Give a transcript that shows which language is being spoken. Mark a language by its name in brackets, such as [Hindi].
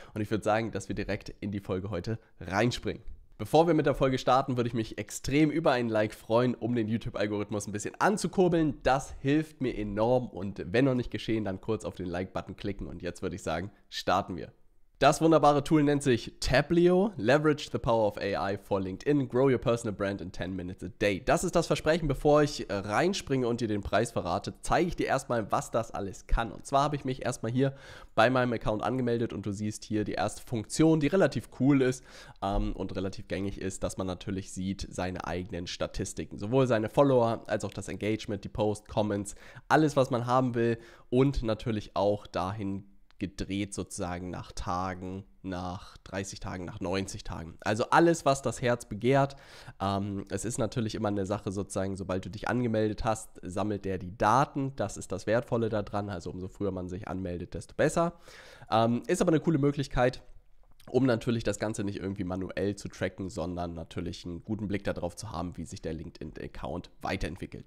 [German] Und ich würde sagen, dass wir direkt in die Folge heute reinspringen. Bevor wir mit der Folge starten, würde ich mich extrem über ein Like freuen, um den YouTube-Algorithmus ein bisschen anzukurbeln. Das hilft mir enorm und wenn noch nicht geschehen, dann kurz auf den Like-Button klicken und jetzt würde ich sagen, starten wir. Das wunderbare Tool nennt sich Tableau. [English] Leverage the power of AI for LinkedIn. Grow your personal brand in 10 minutes a day. [German] Das ist das Versprechen. Bevor ich reinspringe und dir den Preis verrate, zeige ich dir erstmal, was das alles kann. Und zwar habe ich mich erstmal hier bei meinem Account angemeldet und du siehst hier die erste Funktion, die relativ cool ist und relativ gängig ist, dass man natürlich sieht seine eigenen Statistiken. Sowohl seine Follower als auch das Engagement, die Posts, Comments, alles, was man haben will und natürlich auch dahin gedreht sozusagen nach Tagen, nach 30 Tagen, nach 90 Tagen. Also alles, was das Herz begehrt. Es ist natürlich immer eine Sache sozusagen, sobald du dich angemeldet hast, sammelt der die Daten. Das ist das Wertvolle daran. Also umso früher man sich anmeldet, desto besser. Ist aber eine coole Möglichkeit, um natürlich das Ganze nicht irgendwie manuell zu tracken, sondern natürlich einen guten Blick darauf zu haben, wie sich der LinkedIn-Account weiterentwickelt.